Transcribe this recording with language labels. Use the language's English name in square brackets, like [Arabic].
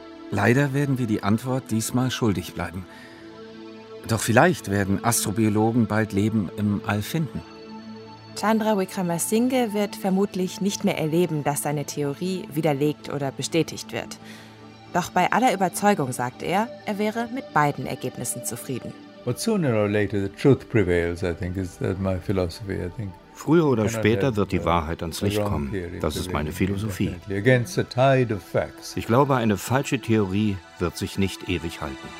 [German] Leider werden wir die Antwort diesmal schuldig bleiben. Doch vielleicht werden Astrobiologen bald Leben im All finden. Chandra Wickremesinghe wird vermutlich nicht mehr erleben, dass seine Theorie widerlegt oder bestätigt wird. Doch bei aller Überzeugung sagt er wäre mit beiden Ergebnissen zufrieden. [English] But sooner or later the truth prevails, I think, is that my philosophy, I think. [German] Früher oder später wird die Wahrheit ans Licht kommen. Das ist meine Philosophie. Ich glaube, eine falsche Theorie wird sich nicht ewig halten.